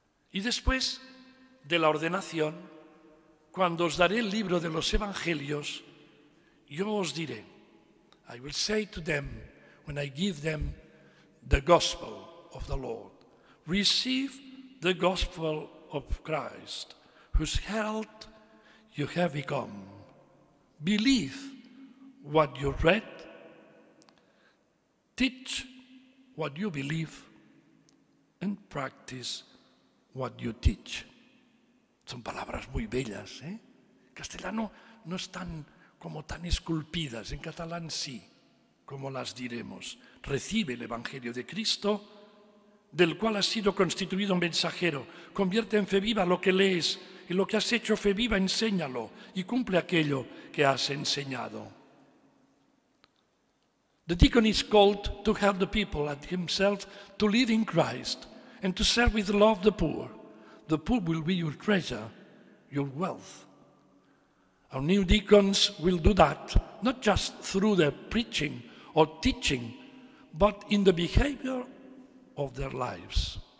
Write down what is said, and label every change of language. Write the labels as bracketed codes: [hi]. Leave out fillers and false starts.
[es] Y después de la ordenación, cuando os daré el libro de los evangelios, yo os diré, [en] I will say to them when I give them the gospel of the Lord, receive the gospel of Christ, whose health you have become. Believe what you read, teach what you believe, and practice what you teach. [es] Son palabras muy bellas, ¿eh? En castellano no están como tan esculpidas, en catalán sí, como las diremos. Recibe el Evangelio de Cristo, del cual has sido constituido un mensajero. Convierte en fe viva lo que lees, y lo que has hecho fe viva, enséñalo y cumple aquello que has enseñado. [en] The deacon is called to help the people and himself to live in Christ and to serve with love the poor. The poor will be your treasure, your wealth. Our new deacons will do that, not just through their preaching or teaching, but in the behavior of their lives.